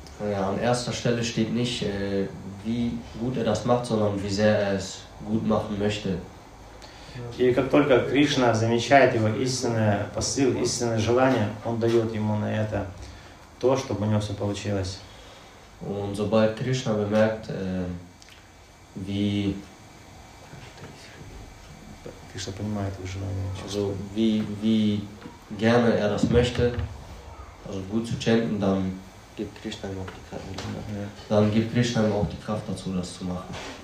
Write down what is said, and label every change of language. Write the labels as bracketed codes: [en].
[de] Ja, an erster Stelle steht nicht, wie gut das macht, sondern wie sehr es gut machen möchte. [ru] И как только Кришна замечает его истинный посыл, истинное желание, он дает ему на это то, чтобы у него все получилось. [de] Und sobald Krishna bemerkt, wie [ru] Krishna понимает его желание, [de] also wie gerne das möchte, also gut zu chanten, dann gibt Krishna ihm auch die Kraft dazu, das zu machen.